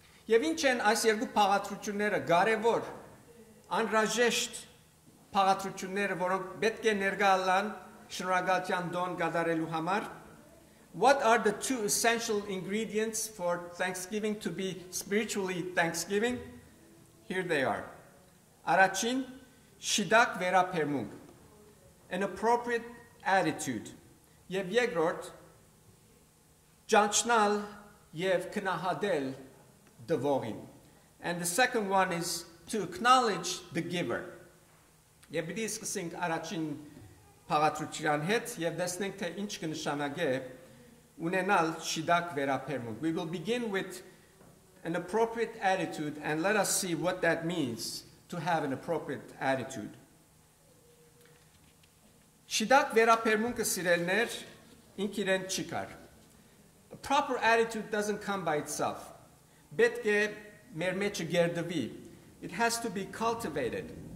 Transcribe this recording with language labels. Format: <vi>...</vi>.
<hy>Եվ ինչ են այս երկու փաղաթությունները կարևոր, անհրաժեշտ փաղաթությունները, որոնք պետք է ներգաղան շնորհակալության դոն կատարելու համար։</hy> <en>What are the two essential ingredients for Thanksgiving to be spiritually Thanksgiving? Here they are.</en> <hy>Առաջին, շիտակ վերաբերմունք,</hy> <en>an appropriate attitude.</en> <hy>Եվ երկրորդ, ճանչնալ եւ քնահադել դվողին.</hy> <en>And the second one is to acknowledge the giver.</en> <hy>Եվ մենք սկսենք առաջին փաղաթության հետ եւ տեսնենք թե ինչ կնշանակե ունենալ շիտակ վերաբերմունք.</hy> <en>We will begin with an appropriate attitude and let us see what that means to have an appropriate attitude.</en> <hy>Շիտակ վերաբերմունքը սիրելներ ինք իրեն չի կար.</hy> <en>A proper attitude doesn't come by itself.</en> <hy>Պետք է մեր մեջ գերդվի.</hy> <en>It has to be cultivated.</en>